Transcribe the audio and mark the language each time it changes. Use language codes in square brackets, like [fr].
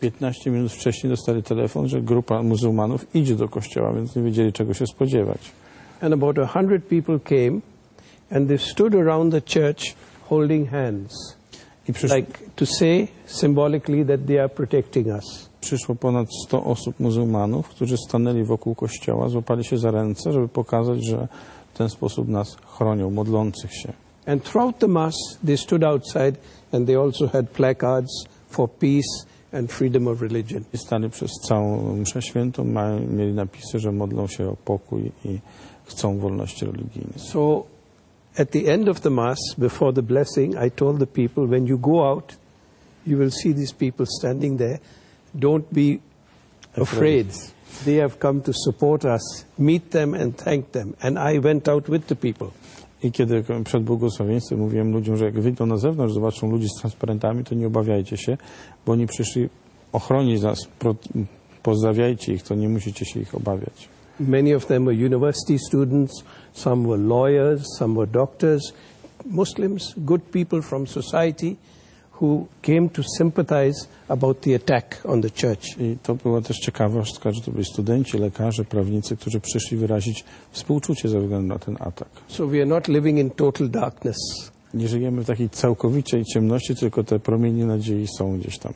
[pl] 15 minut wcześniej dostali telefon, że grupa muzułmanów idzie do kościoła, więc nie wiedzieli, czego się spodziewać. [en] And about 100 people came and they stood around the church holding hands. Like to say symbolically that they are protecting us. [pl] Przyszło ponad 100 osób muzułmanów, którzy stanęli wokół kościoła, złapali się za ręce, żeby pokazać, że w ten sposób nas chronią, modlących się. [en] And throughout the mass they stood outside and they also had placards for peace and freedom of religion. [pl] I stali przez całą mszę świętą, mieli napisy, że modlą się o pokój i chcą wolności religijnej. [en] So at the end of the mass, before the blessing, I told the people, when you go out, you will see these people standing there. Don't be afraid. They have come to support us. Meet them and thank them. And I went out with the people. [pl] I kiedy przed błogosławieństwem mówiłem ludziom, że jak wyjdą na zewnątrz, zobaczą ludzi z transparentami, to nie obawiajcie się, bo oni przyszli ochronić nas. Pozdrawiajcie ich, to nie musicie się ich obawiać. [en] Many of them were university students, some were lawyers, some were doctors, Muslims, good people from society who came to sympathize about the attack on the church. [pl] I to była też ciekawostka, że to byli studenci, lekarze, prawnicy, którzy przyszli wyrazić współczucie ze względu na ten atak. [en] So we are not living in total darkness. [pl] Nie żyjemy w takiej całkowitej ciemności, tylko te promienie nadziei są gdzieś tam.